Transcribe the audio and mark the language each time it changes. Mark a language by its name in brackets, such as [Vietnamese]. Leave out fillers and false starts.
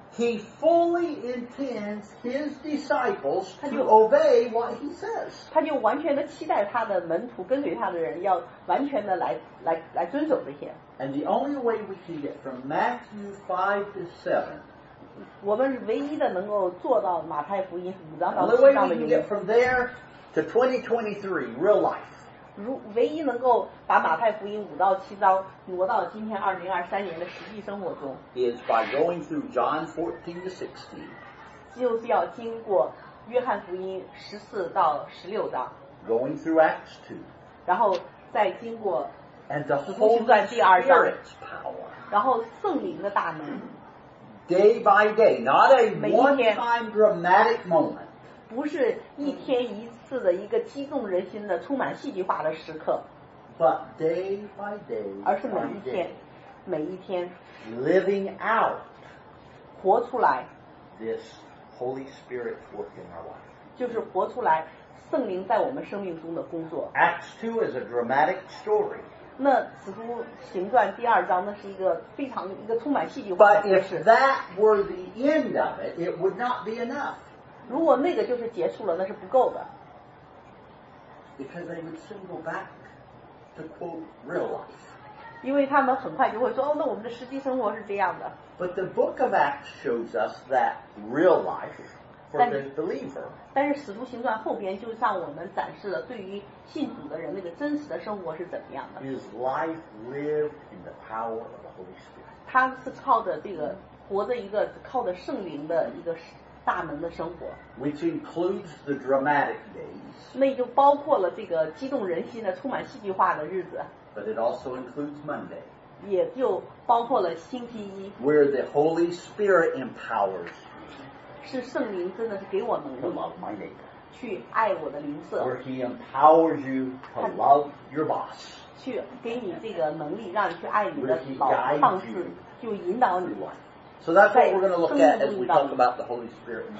[English] He fully intends his disciples to obey what he says. [Chinese] 他就完全的期待他的门徒跟随他的人要完全的来遵守这些。 [English] And the only way we can get from Matthew 5 to 7. [Chinese] 我们唯一的能够做到马太福音五章到七章的。 [English] The only way we can get from there to 2023, real life. [Chinese] 唯一能够把马太福音五到七章挪到今天2023年的实际生活中。 [English] Is by going through John 14 to 16. [Chinese] 就是要经过约翰福音14到16章。 [English] Going through Acts 2. [Chinese] 然后再经过。 [English] And the Holy Spirit's power. [Chinese] 然后圣灵的大能。 [English] Day by day, not a one-time dramatic moment. [Chinese] 不是一天一次的一个激动人心的充满戏剧化的时刻。 [English] But day by day, [Chinese] 而是每一天，每一天。 [English] Living out, [Chinese] 活出来。 [English] This Holy Spirit work in our life. [Chinese] 就是活出来圣灵在我们生命中的工作。 [English] Acts 2 is a dramatic story. [Chinese] 那使徒行传第二章那是一个非常一个充满戏剧化的故事。 [English] But if that were the end of it, it would not be enough. [Chinese] 如果那个就是结束了，那是不够的。 [English] Because they would soon go back to quote real life. [Chinese] 因为他们很快就会说，哦，那我们的实际生活是这样的。 [English] But the book of Acts shows us that real life for the believer. [Chinese] 但是使徒行传后边就向我们展示了对于信主的人那个真实的生活是怎么样的。 [English] His life lived in the power of the Holy Spirit. [Chinese] 他是靠着这个活着一个靠着圣灵的一个大能的生活。 [English] Which includes the dramatic days. [Chinese] 那就包括了这个激动人心的充满戏剧化的日子。 [English] But it also includes Monday. [Chinese] 也就包括了星期一。 [English] Where the Holy Spirit empowers you. [Chinese] 是圣灵真的是给我能力。 [English] To love my neighbor. [Chinese] 去爱我的邻舍。 [English] Where he empowers you to love your boss. [Chinese] 去给你这个能力，让你去爱你的老上司，就引导你。 [English] So that's what we're going to look at as we talk about the Holy Spirit.